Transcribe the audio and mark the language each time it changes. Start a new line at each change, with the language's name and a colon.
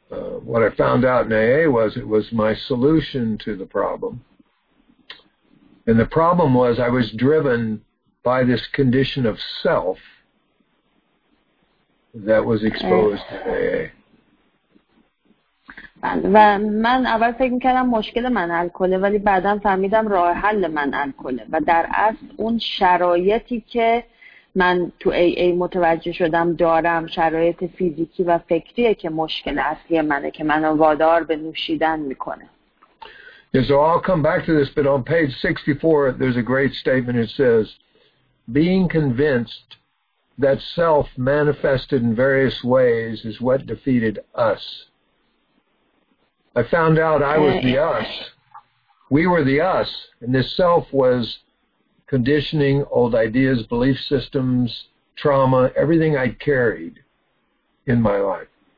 English: What I found out in AA was it was my solution to the problem. And the problem was I was driven by this condition of self that was exposed to AA.
Persian: و من اول فکر می‌کردم مشکل من الکله، ولی بعداً فهمیدم راه حل من الکله و در اصل اون شرایطی که من تو ای ای متوجه شدم دارم شرایط فیزیکی و فکریه که مشکل اصلی منه که منو وادار به نوشیدن میکنه.
English: Yeah, so I'll come back to this, but on page 64 there's a great statement. It says, being convinced that self manifested in various ways is what defeated us. I found out I was the us. We were the us, and this self was conditioning, old ideas, belief systems, trauma, everything I carried in my life.